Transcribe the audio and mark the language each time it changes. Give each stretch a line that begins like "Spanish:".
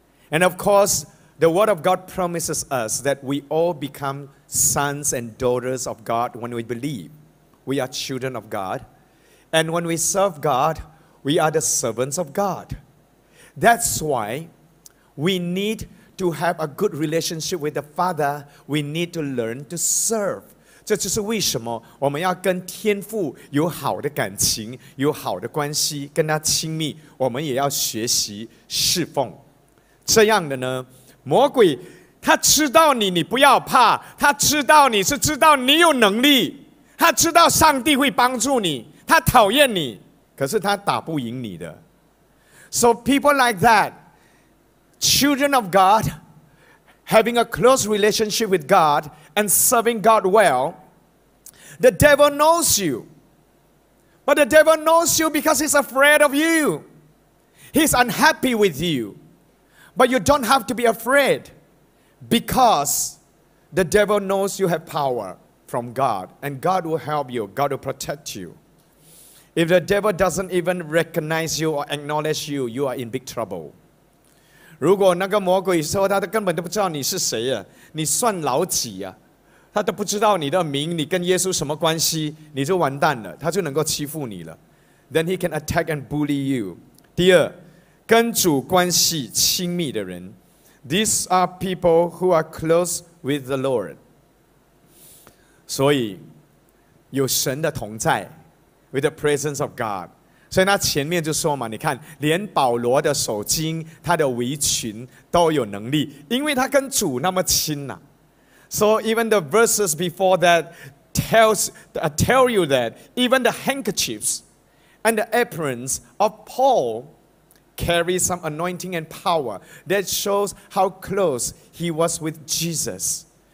English: And of course,The word of God promises us that we all become sons and daughters of God when we believe. We are children of God. And when we serve God, we are the servants of God. That's why we need to have a good relationship with the Father, we need to learn to serve.
Chinese: 这就是为什么我们要跟天父有好的感情，有好的关系，跟他亲密，我们也要学习侍奉。这样的呢，魔鬼他知道你，你不要怕，他知道你是知道你有能力，他知道上帝会帮助你，他讨厌你，可是他打不赢你的。
English: So people like that, children of God, having a close relationship with God and serving God well, the devil knows you. But the devil knows you because he's afraid of you. He's unhappy with you. But you don't have to be afraid because the devil knows you have power from God and God will help you, God will protect you. If the devil doesn't even recognize you or acknowledge you, you are in big trouble.
Chinese: 如果那个魔鬼说他根本都不知道你是谁啊，你算老几啊，他都不知道你的名，你跟耶稣什么关系，你就完蛋了，他就能够欺负你了。
English: Then he can attack and bully you.
Chinese: 第二，跟主关系亲密的人，
English: These are people who are close with the Lord.
Chinese: 所以有神的同在，
English: With the presence of God.
Chinese: 所以他前面就说嘛，你看连保罗的手巾他的围裙都有能力，因为他跟主那么亲啊。
English: So even the verses before that tell you that even the handkerchiefs and the aprons of Paul carry some anointing and power that shows how close he was with Jesus.